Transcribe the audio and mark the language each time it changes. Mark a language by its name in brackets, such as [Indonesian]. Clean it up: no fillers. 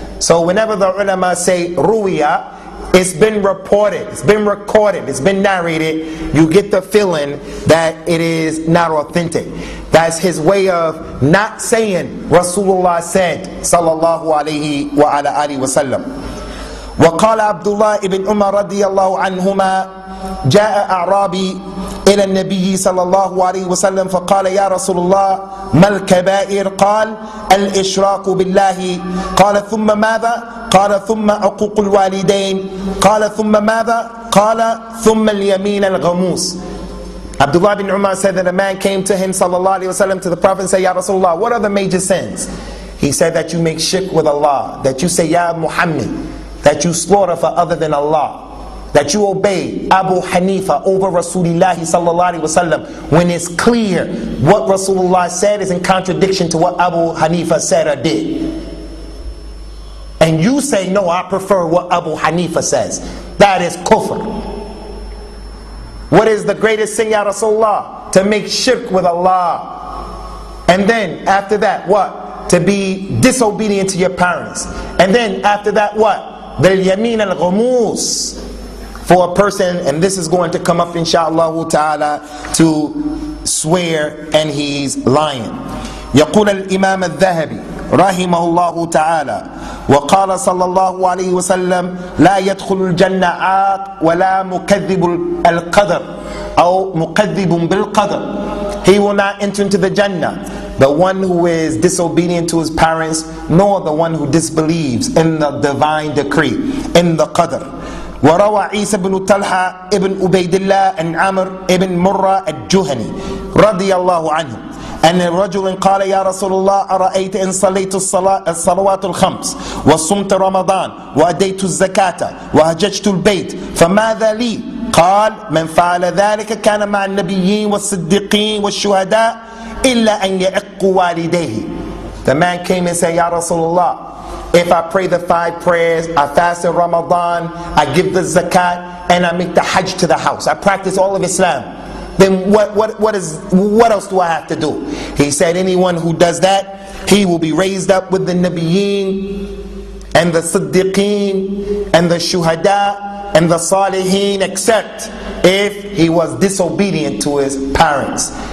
[English] So whenever the ulama say Ruwiya, it's been reported, it's been recorded, it's been narrated, you get the feeling that it is not authentic. That's his way of not saying Rasulullah said, sallallahu alayhi wa ala alihi wa sallam. [Arabic] وقال عبد الله بن عمر رضي الله عنهما جاء أعرابي إلى النبي صلى الله عليه وسلم فقال يا رسول الله ما الكبائر قال الإشراك بالله قال ثم ماذا قال ثم عقوق الوالدين قال ثم ماذا قال ثم اليمين الغموس. [English] Abdullah bin Umar said that a man came to him صلى الله عليه وسلم to the Prophet and said, Ya Rasulullah, what are the major sins? He said that you make shirk with Allah, that you say Ya Muhammad, that you slaughter for other than Allah, that you obey Abu Hanifa over Rasulullah sallallahu alaihi wasallam, when it's clear what Rasulullah said is in contradiction to what Abu Hanifa said or did. And you say, no, I prefer what Abu Hanifa says. That is kufr. What is the greatest sin, Ya Rasulullah? To make shirk with Allah. And then after that, what? To be disobedient to your parents. And then after that, what? The yameen al-ghumus for a person, and this is going to come up inshallah ta'ala, to swear and he's lying. [Arabic] يقول الإمام الذهبي رحمه الله تعالى وقال صلى الله عليه وسلم لا يدخل الجنة عاق ولا مكذب القدر أو مكذب بالقدر. [English] He will not enter into the Jannah, the one who is disobedient to his parents, nor the one who disbelieves in the divine decree, in the qadr. [Arabic] وروى عيسى بن طلحة ابن عبيد الله عن عمر ابن مرة الجهني رضي الله عنه أن الرجل قال يا رسول الله أرأيت إن صليت الصلوات الخمس وصمت رمضان وأديت الزكاة وهججت البيت فماذا لي؟ قال من فعل ذلك كان مع النبيين والصديقين والشهداء إلا أن يعق والديه. [English] The man came and said, Ya Rasulullah, if I pray the five prayers, I fast in Ramadan, I give the zakat, and I make the hajj to the house, I practice all of Islam, then what else do I have to do? He said, anyone who does that, he will be raised up with the Nabiyeen and the Siddiqeen and the Shuhada and the Salihin, except if he was disobedient to his parents.